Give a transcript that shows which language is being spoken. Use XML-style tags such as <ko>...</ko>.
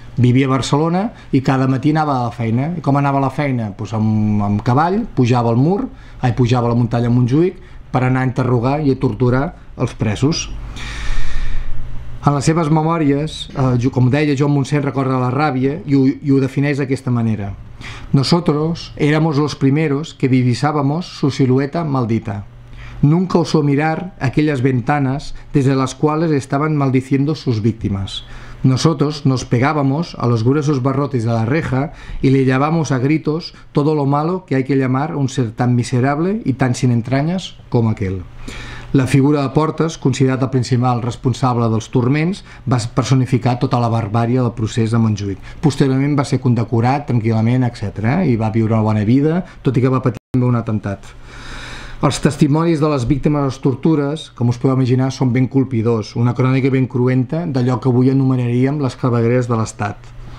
<ca>Vivia a Barcelona i cada matí anava a la feina. I com anava a la feina? Doncs amb cavall, pujava al mur, pujava a la muntanya Montjuïc per anar a interrogar i a torturar els presos. En les seves memòries, com deia, Joan Montseny recorda la ràbia i ho defineix d'aquesta manera.</ca> <es>Nosotros éramos los primeros que divisábamos su silueta maldita. Nunca osó mirar aquellas ventanas desde las cuales estaban maldiciendo sus víctimas. Nosotros nos pegábamos a los gruesos barrotes de la reja y le llamábamos a gritos todo lo malo que hay que llamar a un ser tan miserable y tan sin entrañas como aquel.</es> <ca>La figura de Portes, considerat el principal responsable dels turments, va personificar tota la barbària del procés de Montjuïc. Posteriorment va ser condecorat tranquil·lament, etc. I va viure una bona vida, tot i que va patir també un atemptat. Els testimonis de les víctimes de les tortures, com us podeu imaginar, són ben colpidors, una crònica ben cruenta d'allò que avui anomenaríem les clavegueres de l'Estat.</ca>